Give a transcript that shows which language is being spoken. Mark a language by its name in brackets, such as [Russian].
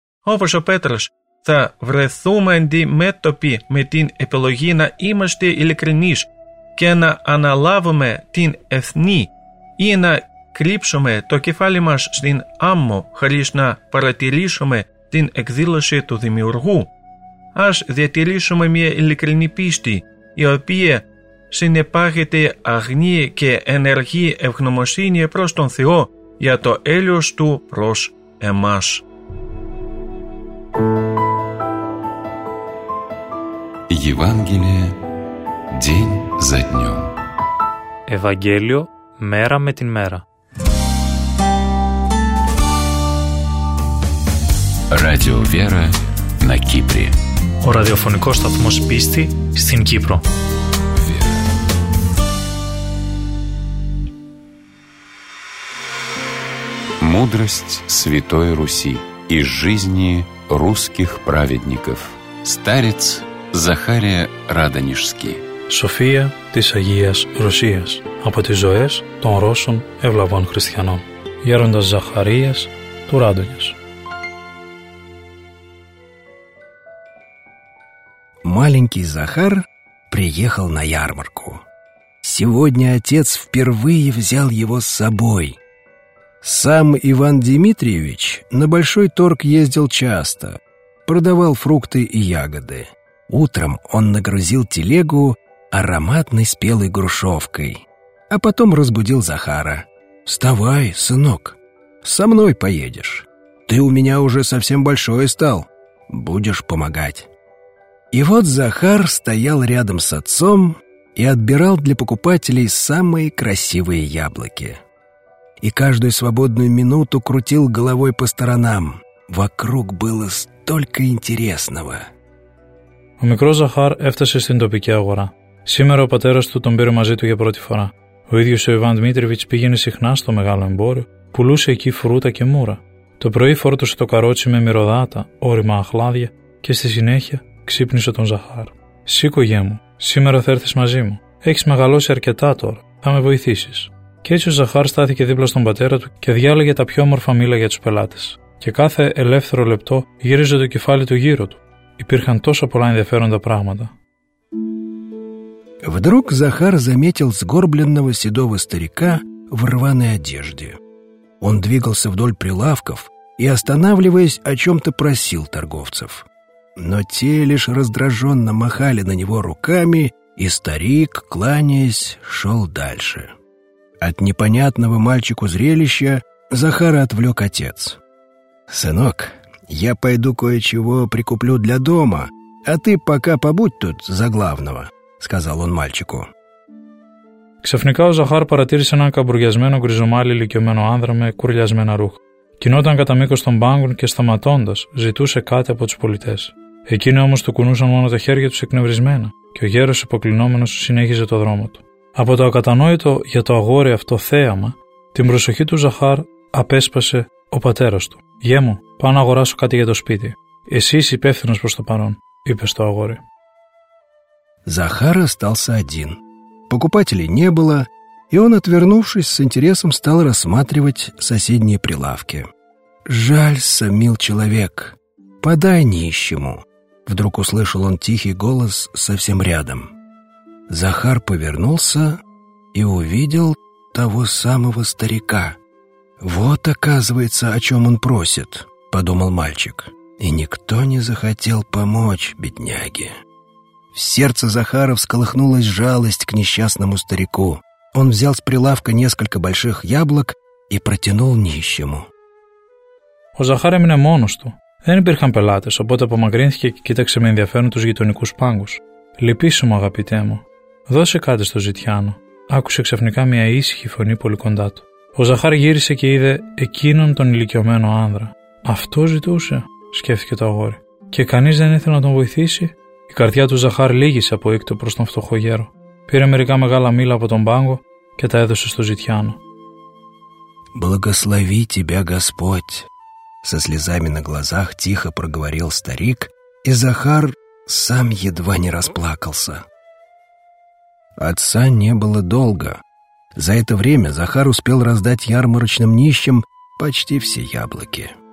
[Greek] Опаш о Петраш, са врэсуменди метопи метин эпилогина имаште илекрениш, кена аналавуме тин эсни, ина κρύψουμε το κεφάλι μας στην άμμο χωρίς να παρατηρήσουμε την εκδήλωση του Δημιουργού. Ας διατηρήσουμε μια ειλικρινή πίστη, η οποία συνεπάγεται αγνή και ενεργή ευγνωμοσύνη προς τον Θεό για το έλεος του προς εμάς. [Russian] Ευαγγέλιο, день за днем. [Greek] Ευαγγέλιο, μέρα με την μέρα. [Russian] Радио Вера на Кипре. [Greek] О радиофонико сатмос писти стин Кипро. [Russian] Мудрость Святой Руси из жизни русских праведников. Старец Захария Радонежский. [Greek] София της Агίας Ρωσίας. Από τις ζωές των Ρώσων ευλαβών χριστιανών. Γέροντας Ζαχαρίας του Ράδωνιος. [Russian] Маленький Захар приехал на ярмарку. сегодня отец впервые взял его с собой. Сам Иван Дмитриевич на большой торг ездил часто, продавал фрукты и ягоды. Утром он нагрузил телегу ароматной спелой грушовкой, а потом разбудил Захара. «Вставай, сынок, со мной поедешь. Ты у меня уже совсем большой стал, будешь помогать». И вот Захар стоял рядом с отцом и отбирал для покупателей самые красивые яблоки. И каждую свободную минуту крутил головой по сторонам. Вокруг было столько интересного. [Greek] Ο μικρός Ζαχάρ έφτασε στην τοπική αγορά. Σήμερα ο πατέρας του τον πήρε μαζί του για πρώτη φορά. Ο ίδιος ο Ιβάν Δημήτριβιτς πήγαινε συχνά στο μεγάλο εμπόριο, πουλούσε εκεί φρούτα και μούρα. Το πρωί φόρτωσε το καρότσι με μυρωδάτα, όριμα αχλάδια και στη συνέχεια ξύπνησε τον Ζαχάρ. «Σήκω, γιέ μου, σήμερα θα έρθεις μαζί μου. Έχεις μεγαλώσει αρκετά τώρα, θα με βοηθήσεις». Και έτσι ο Ζαχάρ στάθηκε δίπλα στον πατέρα του και διάλεγε τα πιο όμορφα μήλα για τους πελάτες. Και κάθε ελεύθερο λεπτό γύριζε το κεφάλι του γύρω του. Υπήρχαν τόσο πολλά ενδιαφέροντα πράγματα. [Russian] Вдруг Захар заметил сгорбленного седого старика в рваной одежде. Он двигался вдоль прилавков и, останавливаясь, о чем-то просил торговцев. Но те лишь раздраженно махали на него руками, и старик, кланяясь, шел дальше. От непонятного мальчику зрелища Захара отвлек отец. «Сынок, я пойду кое-чего прикуплю для дома, а ты пока побудь тут за главного», — сказал он мальчику. [Greek] Ξαφνικά ο Ζαχάρ παρατήρησε έναν καμπουριασμένο γκριζομάλι ηλικιωμένο άνδρα με κουρλιασμένα ρούχα. Κινόταν κατά μήκος των μπάγκων και σταματώντας ζητούσε κάτι από τους πολιτές. Εκείνοι όμως του κουνούσαν μόνο τα χέρια τους εκνευρισμένα και ο γέρος υποκλινόμενος συνέχιζε το δρόμο του. Από το ακατανόητο για το αγόρι αυτό θέαμα, την προσοχή του Ζαχάρ απέσπασε ο πατέρας του. «Γιέ μου, πάω να αγοράσω κάτι για το σπίτι. Εσύ είσαι υπεύθυνος προς το παρόν», είπε στο αγόρι. [Russian] Захар остался один. Покупателей не было, и он, отвернувшись, с интересом стал рассматривать соседние прилавки. «Жалься, мил человек, подай нищему», — вдруг услышал он тихий голос совсем рядом. Захар повернулся и увидел того самого старика. «Вот, оказывается, о чем он просит», — подумал мальчик. «И никто не захотел помочь бедняге». В сердце Захара всколыхнулась жалость к несчастному старику. Он взял с прилавка несколько больших яблок и протянул нищему. [Greek] Ο Ζαχάρ έμεινε μόνος του. Δεν υπήρχαν πελάτες, οπότε απομακρύνθηκε και κοίταξε με ενδιαφέρον τους γειτονικούς πάγκους. «Λυπήσου μου, αγαπητέ μου. Δώσε κάτι στο ζητιάνο», άκουσε ξαφνικά μια ήσυχη φωνή πολύ κοντά του. Ο Ζαχάρ γύρισε και είδε εκείνον τον ηλικιωμένο άνδρα. «Αυτό ζητούσε», σκέφτηκε το αγόρι. «Και κανείς δεν ήθελε να τον βοηθήσει». Η καρδιά του Ζαχάρ λύγησε από οίκτο προς τον φτωχό γέρο. Πήρε μερικά μεγάλα μήλα από τον πάγκο και τα έδωσε στο ζητιάνο. [Russian] «Благослови тебя, Господь!» Со слезами на глазах тихо проговорил старик, и Захар сам едва не расплакался. Отца не было долго. За это время Захар успел раздать ярмарочным нищим почти все яблоки.